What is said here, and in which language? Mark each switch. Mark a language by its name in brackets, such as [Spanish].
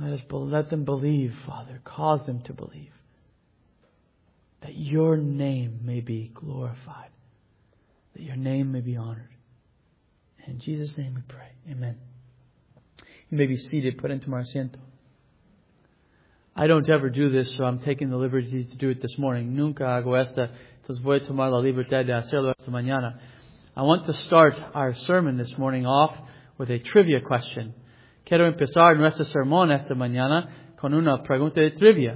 [English] Let them believe, Father. Cause them to believe that your name may be glorified, that your name may be honored. In Jesus' name we pray. Amen. You may be seated. Put into my asiento. I don't ever do this, so I'm taking the liberty to do it this morning. [Spanish] Nunca hago esta. Entonces voy a tomar la libertad de hacerlo esta mañana. [English] I want to start our sermon this morning off with a trivia question. [Spanish] Quiero empezar nuestro sermón esta mañana con una pregunta de trivia.